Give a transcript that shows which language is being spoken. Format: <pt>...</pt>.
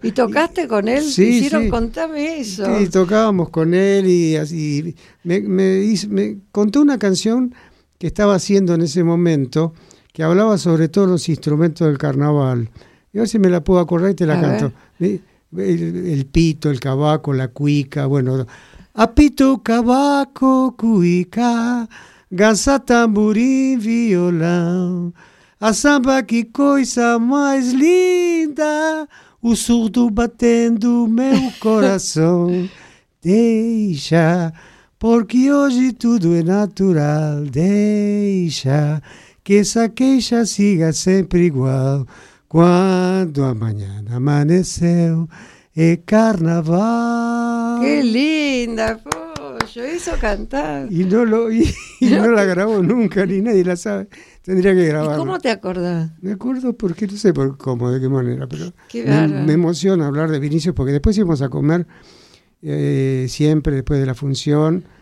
<es>¿Y tocaste con él? Sí, hicieron, sí. Contame eso. Sí, tocábamos con él y así. Me contó una canción que estaba haciendo en ese momento, que hablaba sobre todos los instrumentos del carnaval. Y a ver si me la puedo acordar y te la a canto. El pito, el cabaco, la cuica, bueno.</es> <pt>A pito, cabaco, cuica, gansa, tamborim, violão, a samba, que coisa mais linda, o surdo batendo meu coração. Deixa, porque hoje tudo é natural. Deixa que essa queixa siga sempre igual. Quando amanhã amanheceu, é carnaval. Que linda, pô!</pt> <es>Yo hizo cantar. Y no la grabó nunca, ni nadie la sabe. Tendría que grabarla. ¿Y cómo te acordás? Me acuerdo porque no sé por cómo, de qué manera, pero me emociona hablar de Vinicius, porque después íbamos a comer siempre después de la función.</es>